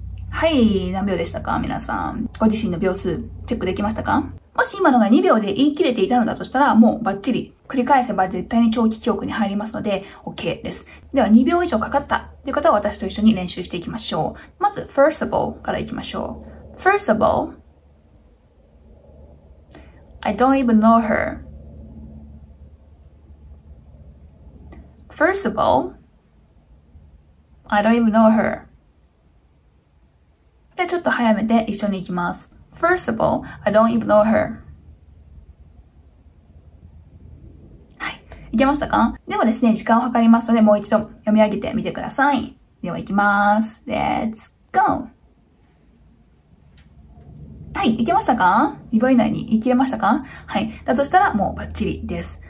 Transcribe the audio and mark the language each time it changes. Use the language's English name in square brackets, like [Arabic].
[Japanese] はい、何秒でしたか皆さん。ご自身の秒数チェックできましたか？もし今のが2秒で言い切れていたのだとしたら、もうバッチリ繰り返せば絶対に長期記憶に入りますので、OK です。では2秒以上かかったという方は私と一緒に練習していきましょう。まず、 [English] first of all [Japanese] からいきましょう。 [English] First of all, I don't even know her. First of all, I don't even know her. [Japanese] で、ちょっと早めて一緒に行きます。 [English] First of all, I don't even know her. [Japanese] はい。いけましたか？ではですね、時間を計りますので、もう一度読み上げてみてください。では行きます。 [English] Let's go! [Japanese] はい。いけましたか？ 2 秒以内に言い切れましたか？はい。だとしたら、もうバッチリです。